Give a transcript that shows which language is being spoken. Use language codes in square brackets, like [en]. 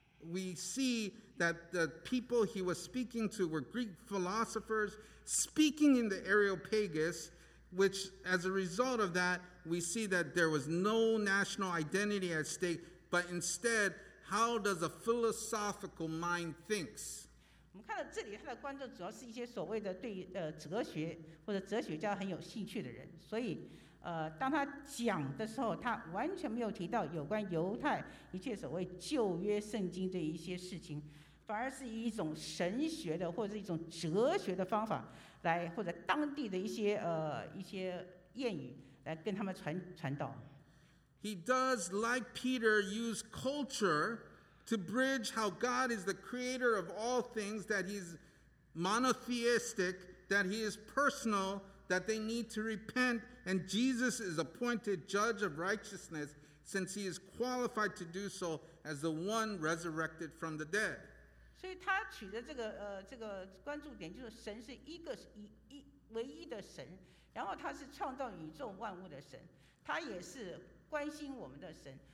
[en] We see that the people he was speaking to were Greek philosophers speaking in the Areopagus, which as a result of that, we see that there was no national identity at stake, but instead, how does a philosophical mind think? [zh] 我们看到这里，他的观众主要是一些所谓的对哲学或者哲学家很有兴趣的人，所以当他讲的时候，他完全没有提到有关犹太一切所谓旧约圣经这一些事情，反而是以一种神学的或者一种哲学的方法来，或者当地的一些谚语来跟他们传道。 [en] He does like Peter use culture. To bridge how God is the creator of all things, that he's monotheistic, that he is personal, that they need to repent, and Jesus is appointed judge of righteousness since he is qualified to do so as the one resurrected from the dead. So he [zh] 取的这个关注点就是神是一个唯一的神，然后他是创造宇宙万物的神，他也是关心我们的神。